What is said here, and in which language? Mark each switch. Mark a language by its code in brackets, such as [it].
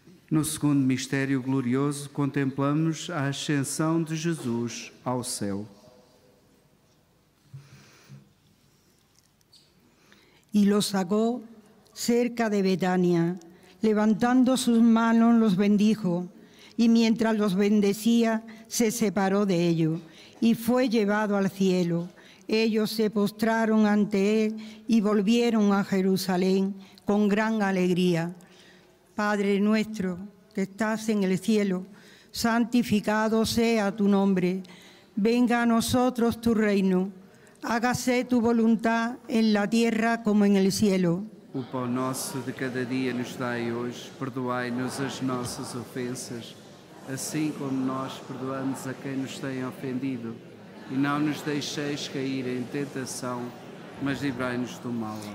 [pt] No segundo mistério glorioso, contemplamos a ascensão de Jesus ao céu. [es] E los sacó cerca de Betania, levantando sus manos los bendijo, y mientras los bendecía, se separó de ellos, y fue llevado al cielo. Ellos se postraron ante él y volvieron a Jerusalén con gran alegría. Padre nuestro, que estás en el cielo, santificado sea tu nombre. Venga a nosotros tu reino. Hágase tu voluntad en la tierra como en el cielo. [pt] O pão nosso de cada dia nos dai hoje, perdoai-nos as nossas ofensas, assim como nós perdoamos a quem nos tem ofendido. E não nos deixeis cair em tentação, mas livrai-nos do mal.